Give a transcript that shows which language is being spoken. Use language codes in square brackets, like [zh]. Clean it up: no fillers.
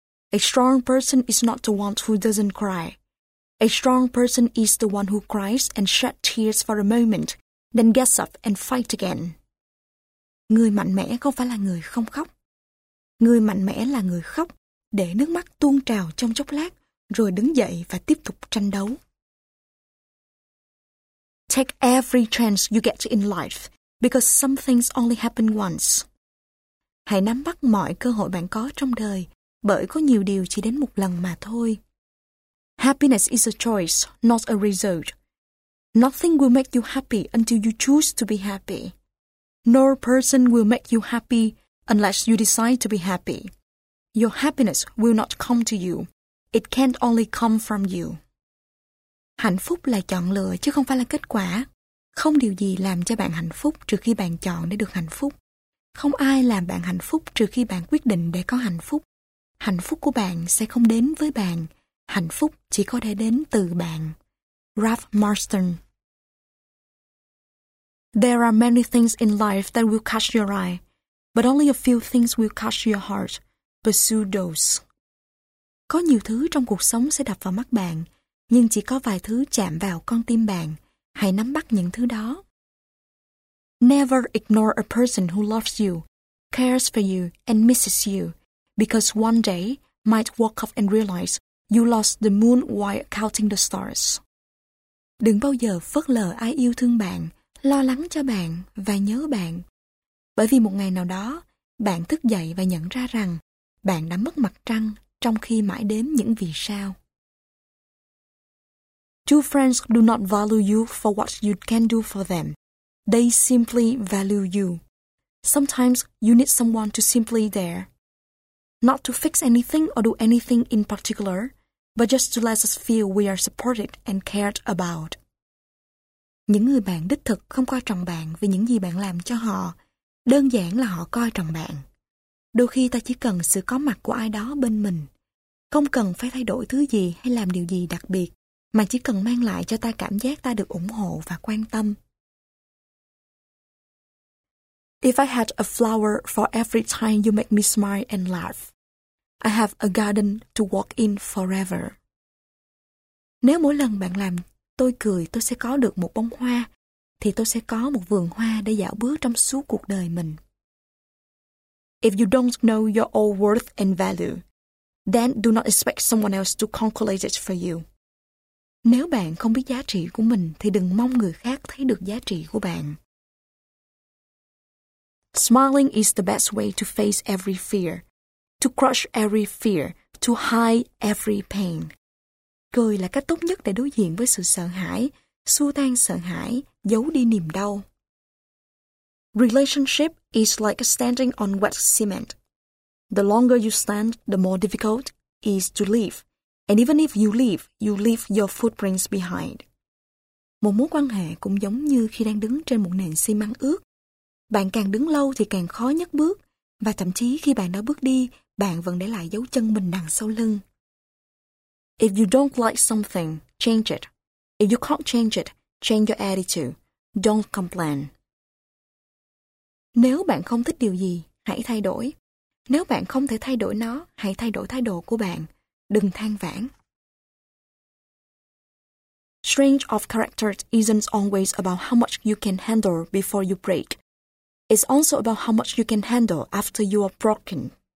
[en] A strong person is not the one who doesn't cry. A strong person is the one who cries and shed tears for a moment, then gets up and fights again. [vi] Người mạnh mẽ không phải là người không khóc. Người mạnh mẽ là người khóc, để nước mắt tuôn trào trong chốc lát, rồi đứng dậy và tiếp tục tranh đấu. [en] Take every chance you get in life, because some things only happen once. [vi] Hãy nắm bắt mọi cơ hội bạn có trong đời, bởi có nhiều điều chỉ đến một lần mà thôi. [en] Happiness is a choice, not a result. Nothing will make you happy until you choose to be happy. No person will make you happy unless you decide to be happy. Your happiness will not come to you. It can't only come from you. [vi] Hạnh phúc là chọn lựa chứ không phải là kết quả. Không điều gì làm cho bạn hạnh phúc trừ khi bạn chọn để được hạnh phúc. Không ai làm bạn hạnh phúc trừ khi bạn quyết định để có hạnh phúc. Hạnh phúc của bạn sẽ không đến với bạn. Hạnh phúc chỉ có thể đến từ bạn. [en] Ralph Marston. There are many things in life that will catch your eye, but only a few things will catch your heart. Pursue those. [vi] Có nhiều thứ trong cuộc sống sẽ đập vào mắt bạn, nhưng chỉ có vài thứ chạm vào con tim bạn. Hãy nắm bắt những thứ đó. [en] Never ignore a person who loves you, cares for you, and misses you, because one day might walk up and realize you lost the moon while counting the stars. [vi] Đừng bao giờ phớt lờ ai yêu thương bạn, lo lắng cho bạn và nhớ bạn. Bởi vì một ngày nào đó, bạn thức dậy và nhận ra rằng bạn đã mất mặt trăng trong khi mãi đếm những vì sao. [en] True friends do not value you for what you can do for them. They simply value you. Sometimes you need someone to simply there. Not to fix anything or do anything in particular, but just to let us feel we are supported and cared about. [vi] Những người bạn đích thực không coi trọng bạn vì những gì bạn làm cho họ. Đơn giản là họ coi trọng bạn. Đôi khi ta chỉ cần sự có mặt của ai đó bên mình. Không cần phải thay đổi thứ gì hay làm điều gì đặc biệt, mà chỉ cần mang lại cho ta cảm giác ta được ủng hộ và quan tâm. [en] If I had a flower for every time you make me smile and laugh, I have a garden to walk in forever. [vi] Nếu mỗi lần bạn làm tôi cười, tôi sẽ có được một bông hoa, thì tôi sẽ có một vườn hoa để dạo bước trong suốt cuộc đời mình. [en] If you don't know your own worth and value, then do not expect someone else to calculate it for you. [vi] Nếu bạn không biết giá trị của mình, thì đừng mong người khác thấy được giá trị của bạn. [en] Smiling is the best way to face every fear, to crush every fear, to hide every pain. [vi] Cười là cách tốt nhất để đối diện với sự sợ hãi, xua tan sợ hãi, giấu đi niềm đau. [en] Relationship is like standing on wet cement. The longer you stand, the more difficult is to leave. And even if you leave, you leave your footprints behind. [vi] Một mối quan hệ cũng giống như khi đang đứng trên một nền xi măng ướt. Bạn càng đứng lâu thì càng khó nhấc bước, và thậm chí khi bạn đã bước đi, bạn vẫn để lại dấu chân mình đằng sau lưng. [en] If you don't like something, change it. If you can't change it, change your attitude. Don't complain. [vi] Nếu bạn không thích điều gì, hãy thay đổi. Nếu bạn không thể thay đổi nó, hãy thay đổi thái độ của bạn. Đừng than vãn. [en] Strength of character isn't always about how much you can handle before you break. It's also about how much you can handle after you are broken.